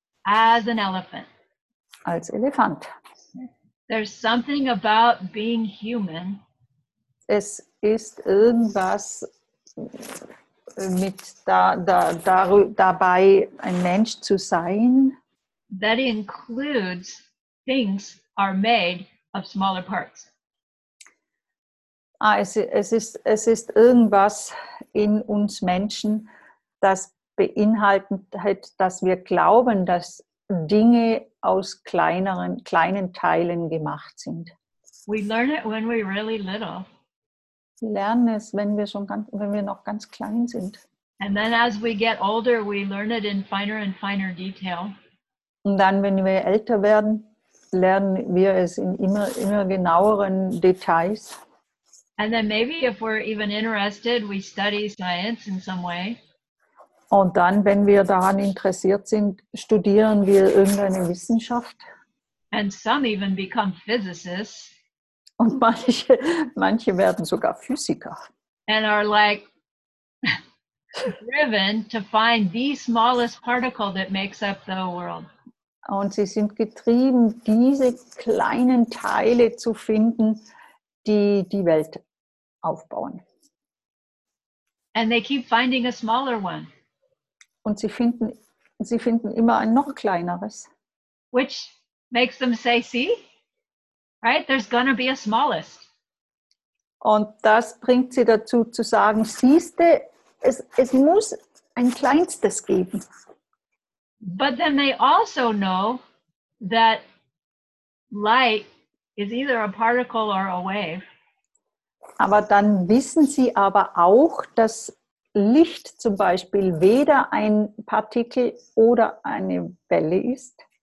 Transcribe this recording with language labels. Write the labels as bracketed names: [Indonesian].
[English] As an elephant. [German] Als Elefant. [English] There's something about being human. [German] Es ist irgendwas mit dabei ein Mensch zu sein. [English] That includes things are made of smaller parts. [German] Ah, es ist irgendwas in uns Menschen, das beinhaltet, dass wir glauben, dass Dinge aus kleinen Teilen gemacht sind. [English] We learn it when we're really little. [German] Lernen es, wenn wir noch ganz klein sind. [English] And then as we get older, we learn it in finer and finer detail. [German] Und dann, wenn wir älter werden, lernen wir es in immer, immer genaueren Details. [English] And then maybe if we're even interested, we study science in some way. [German] Und dann, wenn wir daran interessiert sind, studieren wir irgendeine Wissenschaft. [English] And some even become physicists. [German] Und manche werden sogar Physiker. [English] And are like driven to find the smallest particle that makes up the world. [German] Und sie sind getrieben, diese kleinen Teile zu finden, die die Welt aufbauen. [English] And they keep finding a smaller one. [German] Und sie finden immer ein noch kleineres. [English] Which makes them say, see? Right, there's gonna be a smallest. [German] Und das bringt sie dazu zu sagen, siehste, es muss ein kleinstes geben. [English] But then they also know that light is either a particle or a wave. [German] Aber dann wissen sie aber auch, dass Licht zum Beispiel weder ein Partikel oder eine Welle ist.